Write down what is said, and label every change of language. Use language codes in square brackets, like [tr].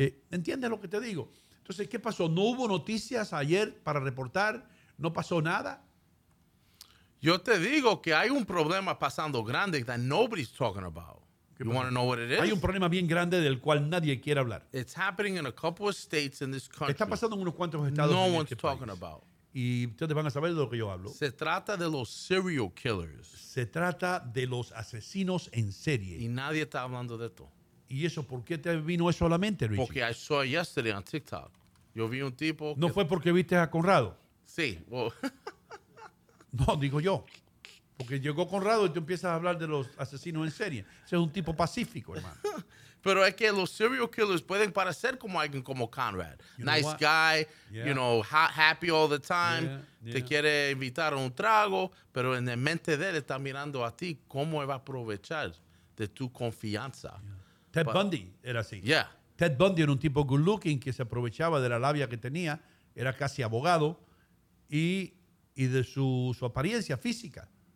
[es] ¿Entiendes lo que te digo? Entonces, ¿qué pasó? ¿No hubo noticias ayer para reportar? ¿No pasó nada? Yo te digo que hay un problema pasando grande [en] that nobody's talking about. You want to know what it is? [es] Hay un problema bien grande del cual nadie quiere hablar. [en] It's happening in a couple of states in this country. [es] Está pasando en unos cuantos estados. [en] No one's talking about. [es] Y ustedes van a saber de lo que yo hablo. Se trata de los serial killers. Se trata de los asesinos en serie. Y nadie está hablando de esto. ¿Y eso por qué te vino eso a la mente, Richie? Porque [en] I saw yesterday on TikTok. [es] Yo vi un tipo. ¿No fue porque viste a Conrado? Sí, [en] well, [es] no, digo yo. Porque llegó Conrado y tú empiezas a hablar de los asesinos en serie. Ese es un tipo pacífico, hermano. Pero es que los serial killers pueden parecer como alguien como Conrad. [en] You nice guy, yeah. You know, happy all the time. Yeah. [es] Te quiere invitar a un trago, pero en la mente de él está mirando a ti cómo va a aprovechar de tu confianza. [en] Yeah. [es] Ted Bundy era así. [en] Yeah. [es] Ted Bundy era un tipo [en] good looking [es] que se aprovechaba de la labia que tenía. Era casi abogado. Y de su apariencia física.